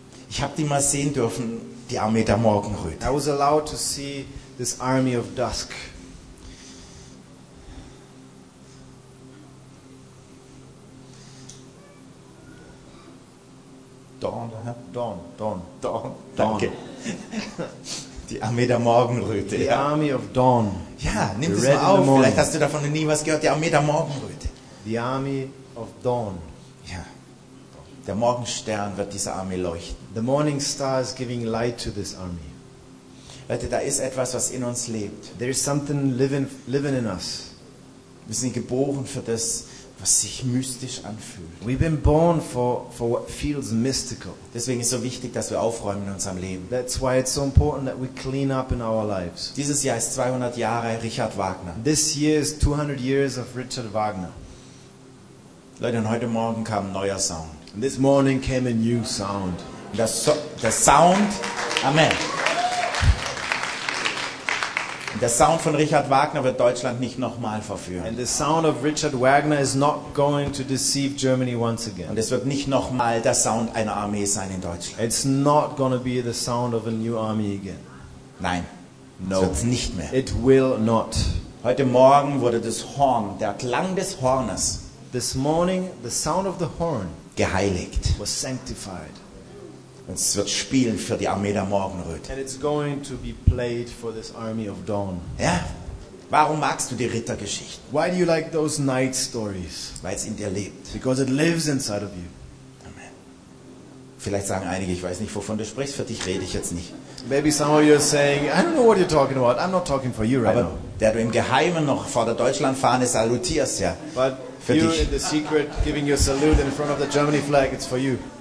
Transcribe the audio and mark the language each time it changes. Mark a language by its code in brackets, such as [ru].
[de] Ich habe die mal sehen dürfen, die Armee der Morgenröte. [en] I was allowed to see this army of dusk. Dawn, dawn, dawn, dawn, dawn. [de] Danke. Die Armee der Morgenröte. [en] The army of dawn. [de] Ja, nimm es mal auf. Vielleicht hast du davon nie was gehört. Die Armee der Morgenröte. [en] The army of dawn. [de] Ja. Der Morgenstern wird dieser Armee leuchten. [en] The morning star is giving light to this army. [de] Leute, da ist etwas, was in uns lebt. [en] There is something living in us. [de] Wir sind geboren für das, was sich mystisch anfühlt. [en] We've been born for what feels mystical. [de] Deswegen ist so wichtig, dass wir aufräumen in unserem Leben. [en] That's why it's so important that we clean up in our lives. [de] Dieses Jahr ist 200 Jahre Richard Wagner. [en] This year is 200 years of Richard Wagner. [de] Leute, und heute Morgen kam ein neuer Sound. [en] And this morning came a new sound. [de] Der Sound. Amen. Der Sound von Richard Wagner wird Deutschland nicht nochmal verführen. [en] And the sound of Richard Wagner is not going to deceive Germany once again. [de] Und es wird nicht nochmal der Sound einer Armee sein in Deutschland. [en] It's not going to be the sound of a new army again. [de] Nein. [en] No. [de] Es wird nicht mehr. [en] It will not. [de] Heute Morgen wurde das Horn, der Klang des Hornes, [en] this morning the sound of the horn, [de] geheiligt. [en] Was sanctified. [de] Und es wird spielen für die Armee der Morgenröte. [en] And it's going to be played for this army of dawn. [de] Ja. Warum magst du die Rittergeschichten? [en] Why do you like those knight stories? [de] Weil es in dir lebt. [en] Because it lives inside of you. [de] Amen. Vielleicht sagen einige, ich weiß nicht, wovon du sprichst, für dich rede ich jetzt nicht. [en] Maybe some of you are saying, I don't know what you're talking about. I'm not talking for you right [de] Aber [en] now. [de] Der du im Geheimen noch vor der Deutschlandfahne salutierst, ja. [en] But [de] für [en] you [de] dich. [en] In the secret giving your salute in front of the Germany flag, it's for you.